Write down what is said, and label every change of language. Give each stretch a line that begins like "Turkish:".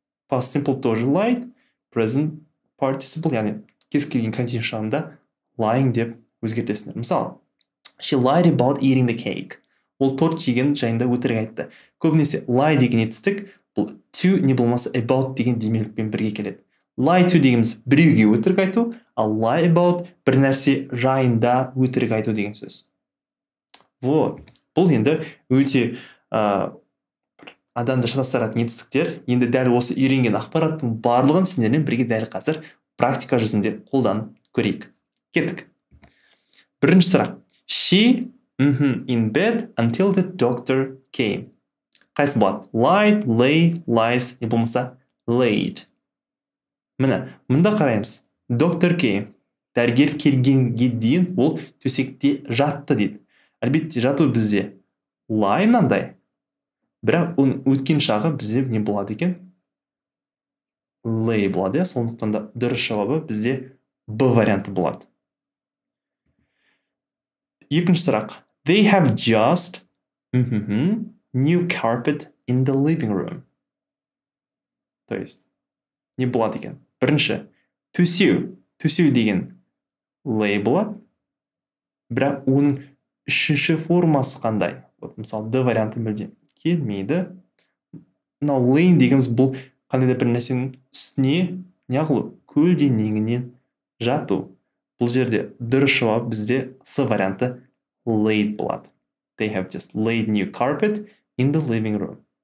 Kazakh: Past simple
Russian: тоже
Kazakh: lied,
English: present participle,
Kazakh: яғни кез келген continuous жағында lying деп өзгертесіңдер.
English: Мысалы, she lied about eating the cake.
Kazakh: Ол торт жеген жайында өтірік айтты. Көбінесе lie деген етістік, бұл to не болмаса about деген демелікпен бірге келеді.
English: Lie to
Kazakh: дегеніміз біреуге өтірік айту, ал
English: lie about
Kazakh: бір нәрсе жайында өтірік айту деген сөз. Вот. Бұл енді өте адамды шатастыратын етістіктер. Енді дәл осы үйренген ақпараттың барлығын сіздермен бірге дәл қазір практика жүзінде қолдан көрейік. Кеттік. Бірінші сұрақ.
English: She in bed until the doctor came.
Kazakh: Қайсы болады?
English: Lied, lay, lies, не болмаса laid.
Kazakh: Міне, мында қараймыз. Доктор кей. Дәрігер келгенге дейін ол төсекте жатты дейді. Әлбетте жату бізде lie мынандай. Бірақ оның өткен шағы бізде не болады екен? Lay болады, ә? Сондықтан да дұрыс жауабы бізде B варианты болады. Екінші сұрақ.
English: They have just new carpet in the living room.
Russian: То есть,
Kazakh: не болады екен. Бірінші, төсеу. Төсеу деген lay болады. Бірақ оның үшінші формасы қандай?
Russian: Вот,
Kazakh: мысалы, D варианты мүлде келмейді. Мынау lay дегеніміз бұл қандай да бір нәрсенің үстіне, не ғылу, көлденеңінен жату. Бұл жерде дұрыс жауап бізде C варианты lay болады.
English: They have just laid new carpet in the living room.